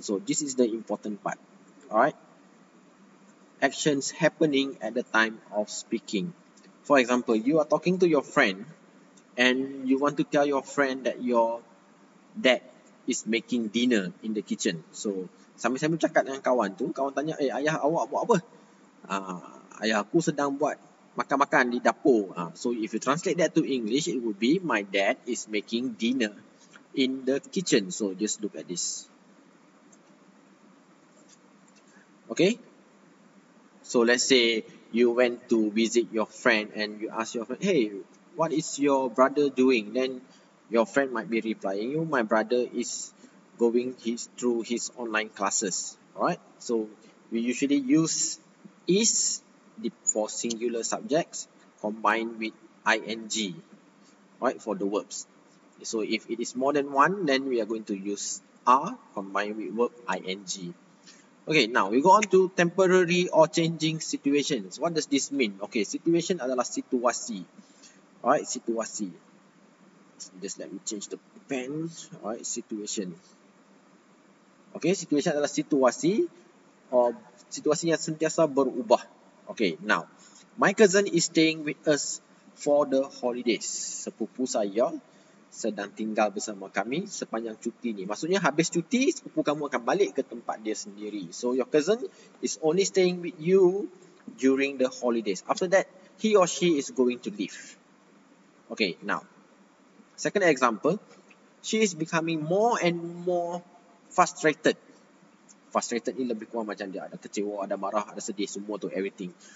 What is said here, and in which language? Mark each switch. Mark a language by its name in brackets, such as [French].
[English] So this is the important part. Alright, actions happening at the time of speaking. For example, you are talking to your friend and you want to tell your friend that your dad is making dinner in the kitchen. [Malay] So, sambil-sambil cakap dengan kawan tu, kawan tanya, eh, ayah awak buat apa? Ayah aku sedang buat makan-makan di dapur. [English] So, if you translate that to English, it would be, my dad is making dinner in the kitchen. So, just look at this. Okay? So, let's say you went to visit your friend and you ask your friend, hey, what is your brother doing? Then your friend might be replying you, my brother is going through his online classes. Alright, so we usually use is for singular subjects combined with ing, right, for the verbs. So if it is more than one, then we are going to use are combined with verb ing. Okay, now we go on to temporary or changing situations. What does this mean? Okay, situation [Malay] adalah situasi. Alright, situasi. [English] Just let me change the pen. Alright, situation. Okay, situation [Malay] adalah situasi. Situasi yang sentiasa berubah. Okay, now. [English] My cousin is staying with us for the holidays. [Malay] Sepupu saya sedang tinggal bersama kami sepanjang cuti ni. Maksudnya, habis cuti, sepupu kamu akan balik ke tempat dia sendiri. [English] So, your cousin is only staying with you during the holidays. After that, he or she is going to leave. Okay, now, second example, she is becoming more and more frustrated. [Malay] Frustrated ni lebih kurang macam dia ada kecewa, ada marah, ada sedih, semua tu, everything.